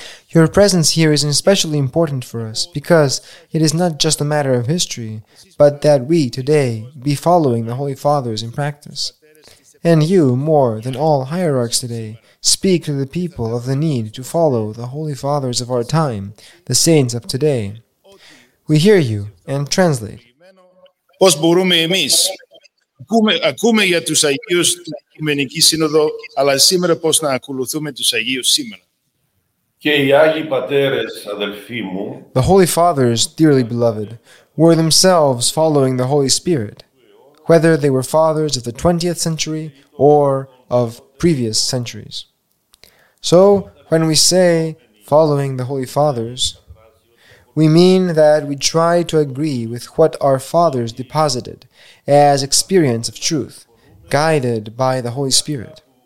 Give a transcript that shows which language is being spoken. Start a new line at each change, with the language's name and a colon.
English: Your presence here is especially important for us, because it is not just a matter of history, but that we today be following the Holy Fathers in practice. And you, more than all hierarchs today, speak to the people of the need to follow the Holy Fathers of our time, the saints of today. We hear you and translate.
Greek: Πώς μπορούμε εμείς, ακούμε για τους Αγίους του Οικουμενικού Σύνοδου, αλλά σήμερα πώς να ακολουθούμε τους Αγίους σήμερα.
English: The Holy Fathers, dearly beloved, were themselves following the Holy Spirit, whether they were fathers of the 20th century or of previous centuries. So, when we say following the Holy Fathers, we mean that we try to agree with what our fathers deposited as experience of truth, guided by the Holy Spirit.